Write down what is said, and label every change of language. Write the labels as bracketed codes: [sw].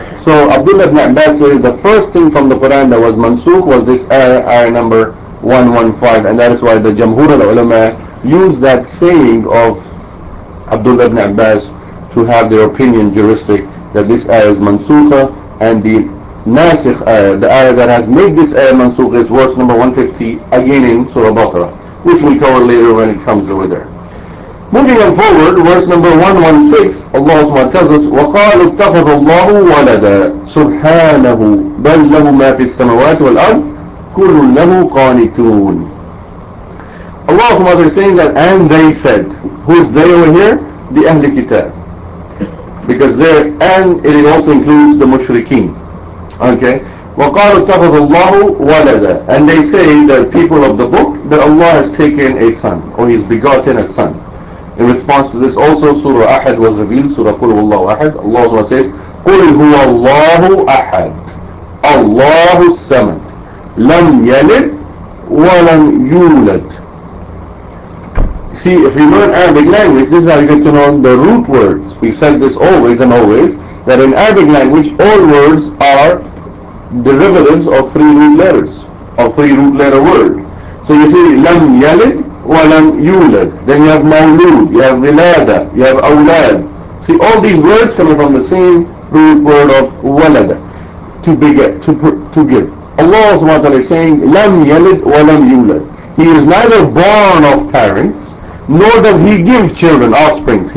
[en] So Abdullah ibn Abbas says the first thing from the Quran that was mansukh was this ayah number 115, and that is why the Jamhur al-Ulama used that saying of Abdullah ibn Abbas to have their opinion juristic that this ayah is mansukha, and the nasikh ayah, the ayah that has made this ayah mansukh, is verse number 150 again in Surah Baqarah, which we'll cover later when it comes over there. Moving on forward, verse number 116, Allah SWT tells us, [ar] وَقَالُوا اتَّخَذَ اللَّهُ وَلَدًا سُبْحَانَهُ بَلْ لَهُ مَا فِي السَّمَوَاتِ وَالْأَرْضِ كُلٌّ لَهُ قَانِتُونَ. [en] Allah SWT is saying that, and they said, who is they over here? The Ahl Kitab. Because there, and it also includes the Mushrikeen. Okay? [ar] وَقَالُوا اتَّخَذَ اللَّهُ وَلَدًا. [en] And they say, the people of the book, that Allah has taken a son, or He's begotten a son. In response to this also, Surah Ahad was revealed, Surah Qul Huwallahu Ahad. Allah SWT says, [ar] قُلْ هُوَ اللَّهُ أَحَدٌ اللَّهُ السَّمَدُ لَمْ يَلِدْ وَلَمْ يُولَدْ. [en] See, if you learn Arabic language, this is how you get to know the root words. We said this always and always, that in Arabic language, all words are derivatives of three root letters, of three root letter word. So you see, [ar] لَمْ يَلِدْ وَلَمْ يُولَدْ. [en] Then you have مَوْلُود, you have وِلَادَ, you have أَوْلَاد. See, all these words coming from the same root word of وَلَدَ, to beget, to give. Allah SWT is saying, [ar] لَمْ يَلِدْ وَلَمْ يُولَدْ. [en] He is neither born of parents, nor does He give children, offsprings.